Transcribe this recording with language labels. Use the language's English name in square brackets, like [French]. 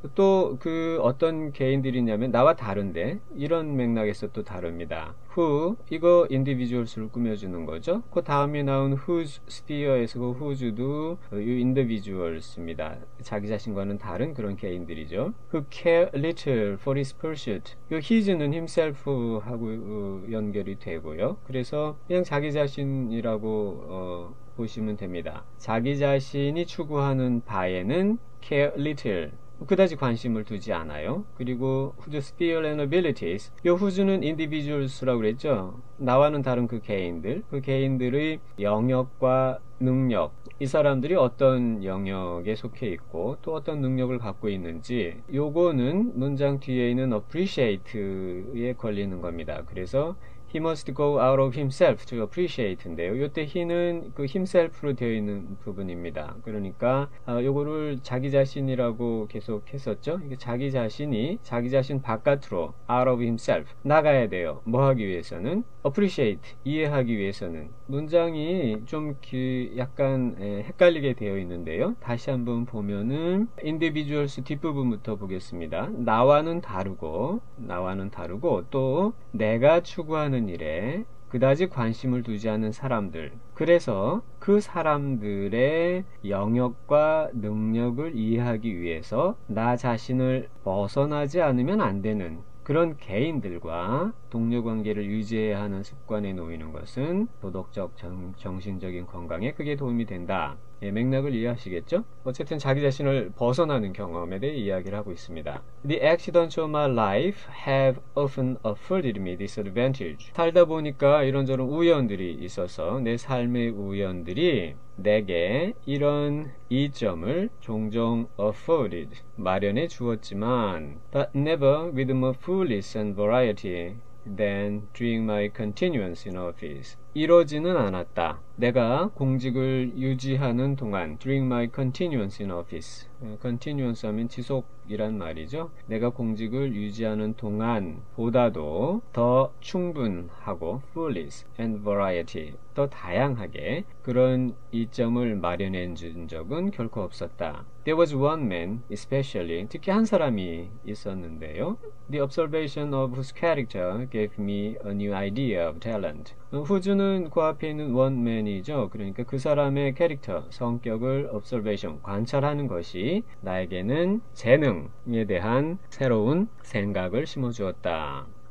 [Korean] 또 그 어떤 개인들이냐면 나와 다른데, 이런 맥락에서 또 다릅니다. who, 이거 individuals를 꾸며주는 거죠. 그 다음에 나온 [English] whose sphere [Korean] 에서 그 whose도 you individuals입니다. 자기 자신과는 다른 그런 개인들이죠. [English] who care little for his pursuit. [Korean] 요 his는 himself하고 연결이 되고요. 그래서 그냥 자기 자신이라고 보시면 됩니다. 자기 자신이 추구하는 바에는 care little, 그다지 관심을 두지 않아요. 그리고 [English] whose sphere and abilities, [Korean] 요 whose는 individuals라고 그랬죠. 나와는 다른 그 개인들, 그 개인들의 영역과 능력, 이 사람들이 어떤 영역에 속해 있고 또 어떤 능력을 갖고 있는지, 요거는 문장 뒤에 있는 appreciate에 걸리는 겁니다. 그래서 [English] he must go out of himself to appreciate [Korean] 인데요. 요때 he는 그 himself로 되어 있는 부분입니다. 그러니까 요거를 자기 자신이라고 계속 했었죠. 자기 자신이 자기 자신 바깥으로 [English] out of himself [Korean] 나가야 돼요. 뭐 하기 위해서는? appreciate, 이해하기 위해서는. 문장이 좀 약간 헷갈리게 되어 있는데요. 다시 한번 보면은 individuals 뒷부분부터 보겠습니다. 나와는 다르고 또 내가 추구하는 일에 그다지 관심을 두지 않는 사람들. 그래서 그 사람들의 영역과 능력을 이해하기 위해서 나 자신을 벗어나지 않으면 안 되는 그런 개인들과 동료 관계를 유지해야 하는 습관에 놓이는 것은 도덕적 정신적인 건강에 크게 도움이 된다. 예, 맥락을 이해하시겠죠? 어쨌든 자기 자신을 벗어나는 경험에 대해 이야기를 하고 있습니다. [English] The accidents of my life have often afforded me this advantage. [Korean] 살다 보니까 이런저런 우연들이 있어서 내 삶의 우연들이 내게 이런 이점을 종종 afforded, 마련해 주었지만 [English] but never with more fullness and variety than during my continuance in office. [Korean] 이러지는 않았다. 내가 공직을 유지하는 동안 [English] during my continuance in office. [Korean] continuance 하면 지속이란 말이죠. 내가 공직을 유지하는 동안 보다도 더 충분하고 [English] fullness and variety, [Korean] 더 다양하게 그런 이점을 마련해 준 적은 결코 없었다. [English] There was one man especially, [Korean] 특히 한 사람이 있었는데요. [English] The observation of whose character gave me a new idea of talent. [Korean] Whose는 그 앞에 있는 one man이죠. 그러니까 그 사람의 캐릭터, 성격을 observation, 관찰하는 것이 나에게는 재능에 대한 새로운 생각을 심어주었다.